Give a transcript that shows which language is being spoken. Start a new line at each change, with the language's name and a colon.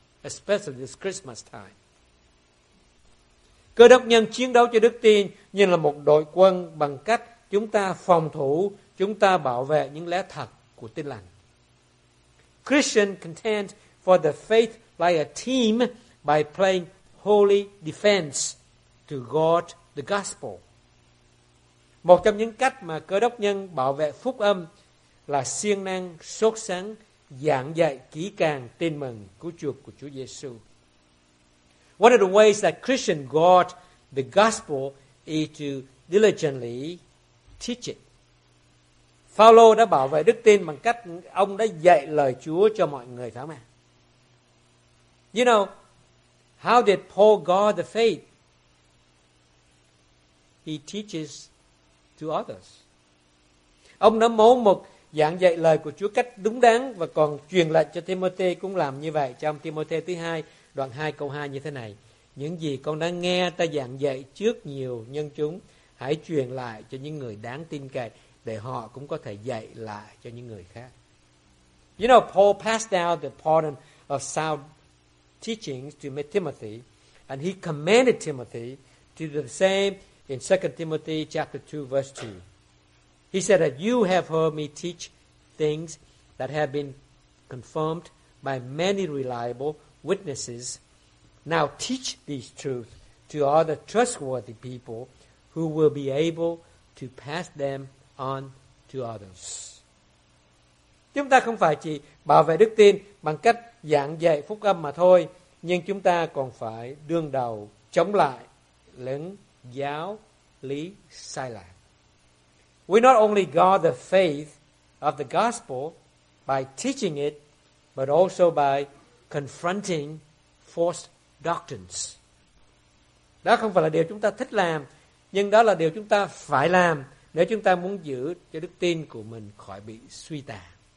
English: Especially this Christmas time.
Vietnamese: Cơ đốc nhân chiến đấu cho đức tin như là một đội quân bằng cách chúng ta phòng thủ, chúng ta bảo vệ những lẽ thật của tin lành.
English: Christian contend for the faith like a team by playing holy defense to guard the gospel.
Vietnamese: Một trong những cách mà cơ đốc nhân bảo vệ phúc âm là siêng năng, sốt sắng, giảng dạy kỹ càng tin mừng cứu chuộc của Chúa Giêsu.
English: One of the ways that Christian guard the gospel is to diligently teach it.
Vietnamese: Phao-lô đã bảo vệ đức tin bằng cách ông đã dạy lời Chúa cho mọi người, phải không ạ?
English: You know, how did Paul guard the faith? He teaches to others.
Vietnamese: Ông đã mẫu mực giảng dạy lời của Chúa cách đúng đắn và còn truyền lại cho Timôthê cũng làm như vậy trong Timôthê thứ 2, đoạn 2 câu 2 như thế này. Những gì con đã nghe ta giảng dạy trước nhiều nhân chúng, hãy truyền lại cho những người đáng tin cậy để họ cũng có thể dạy lại cho những người khác.
English: You know, Paul passed down the pattern of sound teachings to Timothy, and he commanded Timothy to do the same in 2 Timothy chapter 2, verse 2. He said that you have heard me teach things that have been confirmed by many reliable witnesses. Now teach these truths to other trustworthy people who will be able to pass them on to others.
Vietnamese: Chúng ta không phải chỉ bảo vệ đức tin bằng cách giảng dạy phúc âm mà thôi, nhưng chúng ta còn phải đương đầu chống lại lẫn giáo lý sai lạc.
English: We not only guard the faith of the gospel by teaching it, but also by confronting false doctrines.
Vietnamese: Đó không phải là điều chúng ta thích làm, nhưng đó là điều chúng ta phải làm nếu chúng ta muốn giữ cho đức tin của mình khỏi bị suy tàn.